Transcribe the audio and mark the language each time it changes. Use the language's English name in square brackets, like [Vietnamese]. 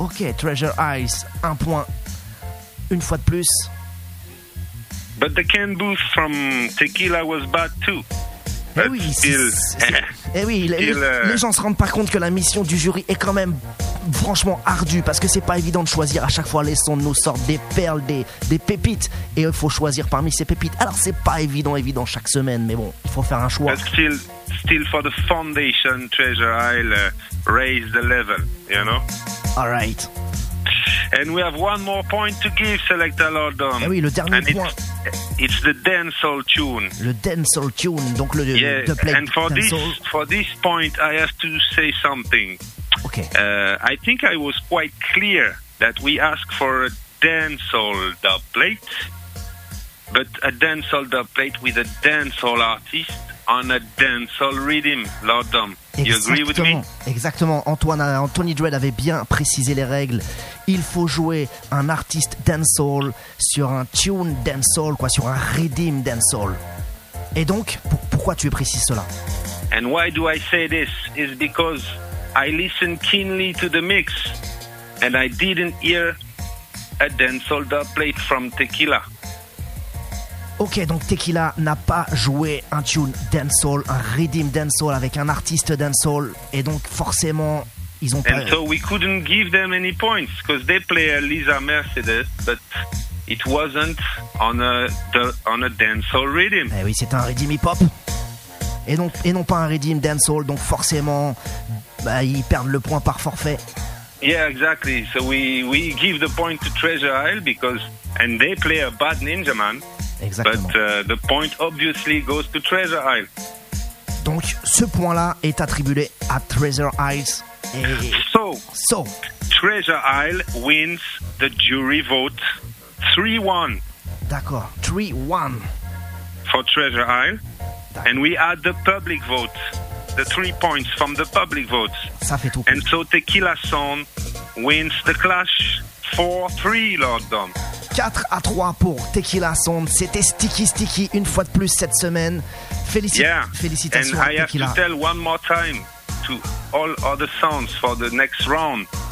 [French] Okay, Treasure Isle, 1 point, une fois de plus. [English] But the can booth from Tequila was bad too. [French] Les gens se rendent pas compte que la mission du jury est quand même franchement ardue parce que c'est pas évident de choisir à chaque fois. Les sons nous sortent des perles, des pépites, et il faut choisir parmi ces pépites. Alors c'est pas évident chaque semaine, mais bon, il faut faire un choix. [English] Still for the foundation, Treasure Isle raise the level, you know. All right. And we have one more point to give, Selector Lord Dom. [French] Eh oui, le dernier [English] and [French] point. [English] It's the dancehall tune. [French] Le dancehall tune, donc le [English] yeah. The play. And for this point, I have to say something. Okay. I think I was quite clear that we asked for a dancehall dubplate, but a dancehall dubplate with a dancehall artist on a dancehall rhythm, Lord Dom. [French] Exactement. Exactement. Anthony Dread avait bien précisé les règles. Il faut jouer un artiste dancehall sur un tune dancehall, quoi, sur un rhythm dancehall. Et donc, pourquoi tu précises cela? [English] And why do I say this? It's because I listened keenly to the mix and I didn't hear a dancehall dubplate from Tequila. [French] Ok, donc Tequila n'a pas joué un tune dancehall, un rhythm dancehall avec un artiste dancehall, et donc forcément ils ont perdu. [English] And so we couldn't give them any points because they play Lisa Mercedes, but it wasn't on a dancehall rhythm. [French] Eh oui, c'est un rhythm hip hop, et non pas un rhythm dancehall, donc forcément bah, ils perdent le point par forfait. [English] Yeah, exactly. So we give the point to Treasure Isle because they play a bad ninja man. [French] Exactement. [English] But the point obviously goes to Treasure Isle. [French] Donc ce point-là est attribué à Treasure Isle. [English] So Treasure Isle wins the jury vote 3-1. [French] D'accord, 3-1 [English] for Treasure Isle. And we add the public vote, the 3 points from the public votes. [French] Ça fait tout. [English] And so Tequila Sound wins the clash 4-3, Lord Dom. [French] 4 à 3 pour Tequila Sound. C'était sticky sticky une fois de plus cette semaine. Félicitations [English] and [French] à Tequila. [English] And I have to tell one more time to all other sounds for the next round.